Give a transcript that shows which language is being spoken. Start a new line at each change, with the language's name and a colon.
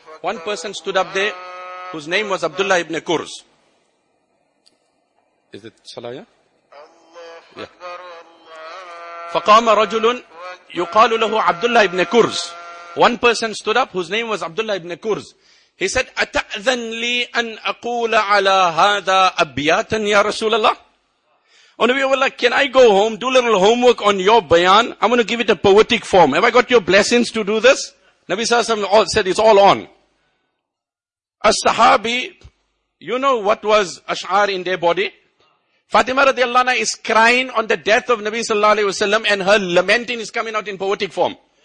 English: One person stood up there whose name was Abdullah ibn Kurz. Is it Salaya? Yeah.
Arabic: فَقَامَ رَجُلٌ يُقَالُ لَهُ عَبْدُ اللَّهِ ابْنِ كُرْزِ.
English: One person stood up whose name was Abdullah ibn Kurz. He said,
Arabic: أَتَأْذَنْ لِي أَنْ أَقُولَ عَلَى هَذَا أَبْيَاتًا يَا رَسُولَ اللَّهِ.
English: Nabi of Allah, can I go home, do a little homework on your bayan? I'm going to give it a poetic form. Have I got your blessings to do this? Nabi Sallallahu Alaihi Wasallam said, it's all on. As Sahabi, you know what was ash'ar in their body? Fatima radiallahu anha is crying on the death of Nabi Sallallahu Alaihi Wasallam and her lamenting is coming out in poetic form.